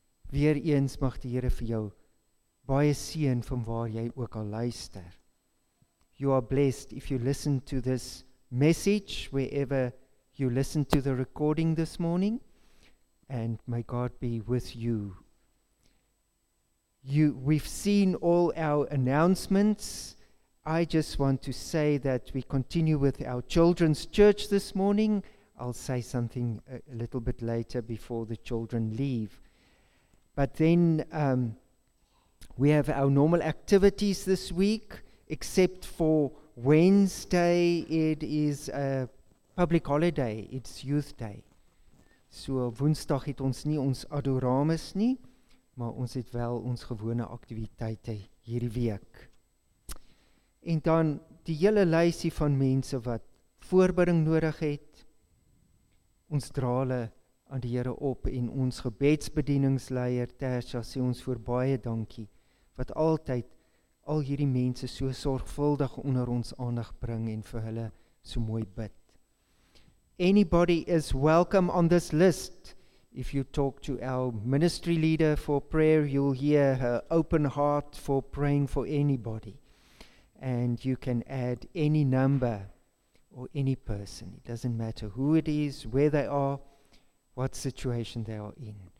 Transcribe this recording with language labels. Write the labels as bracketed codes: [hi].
[af] Weer eens mag die Here vir jou baie seën van waar jy ook al luister. [en] You are blessed if you listen to this message wherever you listen to the recording this morning, and may God be with you. We've seen all our announcements. I just want to say that we continue with our children's church this morning. I'll say something a little bit later before the children leave. But then we have our normal activities this week, except for Wednesday. It is a public holiday. It's Youth Day. [af] So Woensdag het ons nie ons adoramus nie, maar ons het wel ons gewone aktiwiteite hierdie week. En dan die hele lysie van mense wat voorbereiding nodig het. Ons dra hulle aan die Here op en ons gebedsbedieningsleier Tersha sê ons voor baie dankie wat altyd al hierdie mense so sorgvuldig onder ons aandag bring en vir hulle so mooi bid. [en] Anybody is welcome on this list. If you talk to our ministry leader for prayer, you'll hear her open heart for praying for anybody. And you can add any number or any person. It doesn't matter who it is, where they are, what situation they are in.